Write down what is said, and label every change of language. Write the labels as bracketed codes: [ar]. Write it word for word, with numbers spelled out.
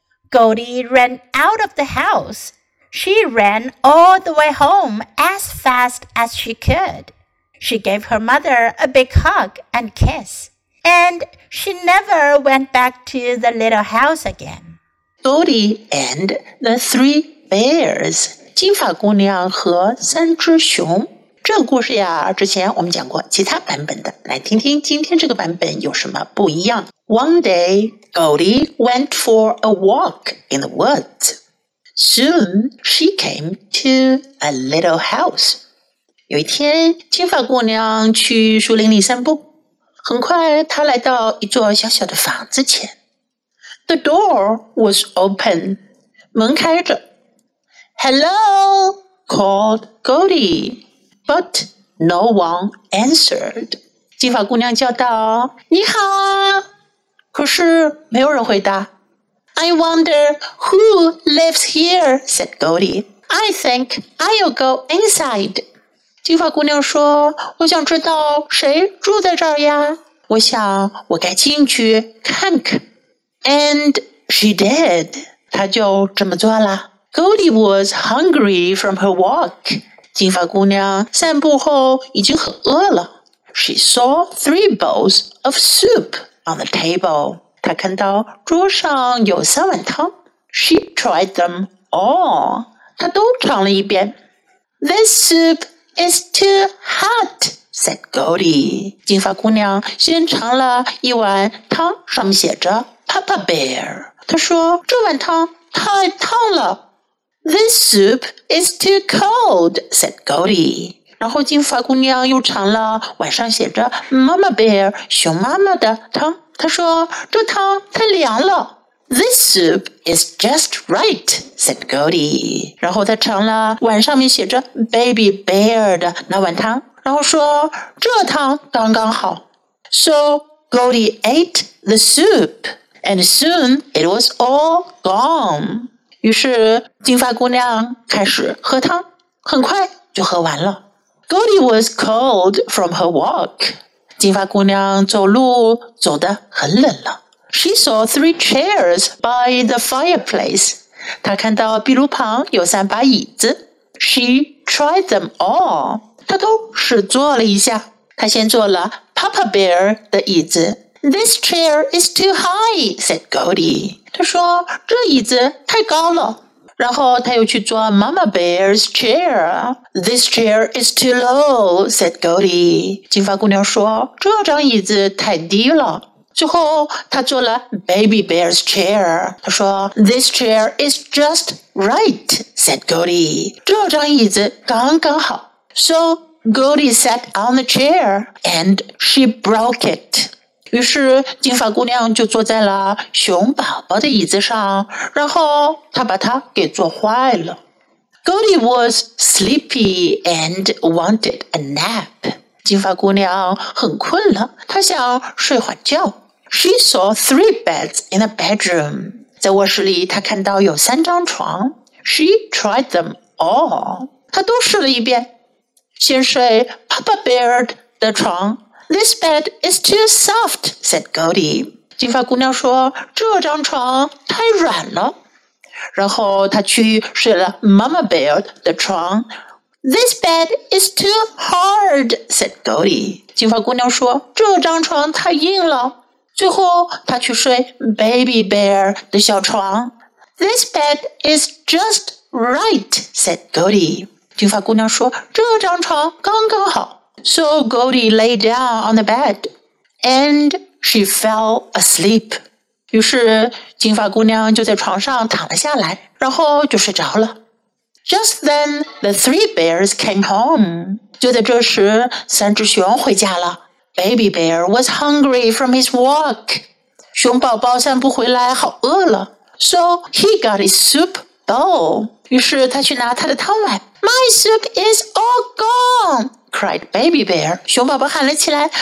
[en] Goldie ran out of the house. She ran all the way home as fast as she could. She gave her mother a big hug and kiss, and she never went back to the little house again. Goldie and the Three Bears. [zh] 金发姑娘和三只熊。这个故事呀，之前我们讲过其他版本的，来听听今天这个版本有什么不一样。 [en] One day, Goldie went for a walk in the woods. Soon, she came to a little house. [zh] 有一天，金发姑娘去树林里散步，很快她来到一座小小的房子前。 [en] The door was open. [zh] 门开着。 [en] "Hello," called Goldie. But no one answered. [zh] 金发姑娘叫道：“你好。” 可是没有人回答。 [en] "I wonder who lives here," said Goldie. "I think I'll go inside." [zh] 金发姑娘说：“我想知道谁住在这儿呀。我想我该进去看看。” [en] And she did. [zh] 她就这么做了。 [en] Goldie was hungry from her walk. [zh] 金发姑娘散步后已经很饿了。 [en] She saw three bowls of soup on the table. [zh] 她看到桌上有三碗汤。 [en] She tried them all. [zh] 她都尝了一遍。 [en] "This soup is too hot," said Goldie. [zh] 金发姑娘先尝了一碗汤，上面写着 Papa Bear。她说这碗汤太烫了。 [en] This soup is too cold, said Goldie. [zh] 然后金发姑娘又尝了碗上写着 Mama Bear 熊妈妈的汤，她说这汤太凉了。 [en] This soup is just right, said Goldie. [zh] 然后她尝了碗上面写着 Baby Bear 的那碗汤，然后说这汤刚刚好。 [en] So Goldie ate the soup, and soon it was all gone. [zh] 于是金发姑娘开始喝汤，很快就喝完了。 [en] Goldie was cold from her walk. [zh] 金发姑娘走路走得很冷了。 [en] She saw three chairs by the fireplace. [zh] 她看到壁炉旁有三把椅子。 [en] She tried them all. [zh] 她都试坐了一下。她先坐了 Papa Bear 的椅子。 [en] This chair is too high, said Goldie. [zh] 她说这椅子太高了。然后她又去坐 Mama Bear's chair. [en] This chair is too low, said Goldie. [zh] 金发姑娘说这张椅子太低了。最后他坐了 Baby Bear's chair， 他说 [en] This chair is just right, said Goldie. [zh] 这张椅子刚刚好。 [en] So Goldie sat on the chair and she broke it. [zh] 于是金发姑娘就坐在了熊宝宝的椅子上，然后她把它给坐坏了。 [en] Goldie was sleepy and wanted a nap. [zh] 金发姑娘很困了，她想睡会觉。 [en] She saw three beds in a bedroom. [zh] 在卧室里，她看到有三张床。 [en] She tried them all. [zh] 她都试了一遍。先睡 Papa Bear 的床。 [en] This bed is too soft, said Goldie. [zh] 金发姑娘说，这张床太软了。然后她去睡了 Mama Bear 的床。 [en] This bed is too hard, said Goldie. [zh] 金发姑娘说，这张床太硬了。最后她去睡 Baby Bear 的小床。 [en] This bed is just right, said Goldie. [zh] 金发姑娘说，这张床刚刚好。 [en] So Goldie lay down on the bed, and she fell asleep. [zh] 于是金发姑娘就在床上躺了下来，然后就睡着了。 [en] Just then, the three bears came home. [zh] 就在这时，三只熊回家了。 [en] Baby Bear was hungry from his walk. [zh] 熊宝宝散步回来好饿了。 [en] So he got his soup bowl. [zh] 于是他去拿他的汤碗。 [en] My soup is all gone, cried Baby Bear. [zh] 熊宝宝喊了起来，